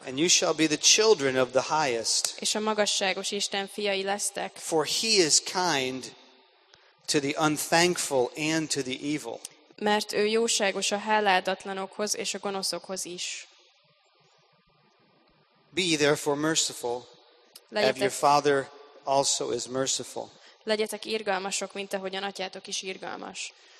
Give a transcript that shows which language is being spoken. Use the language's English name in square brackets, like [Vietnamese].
[English] And you shall be the children of the highest. [Hungarian] És a magasságos Isten fiai lesztek. [English] For he is kind to the unthankful and to the evil. [Hungarian] Mert ő jóságos a hálátlanokhoz és a gonoszokhoz is. [English] Be therefore merciful, as your Father also is merciful. [Hungarian] Legyetek irgalmasok, mint ahogyan atyátok is irgalmas.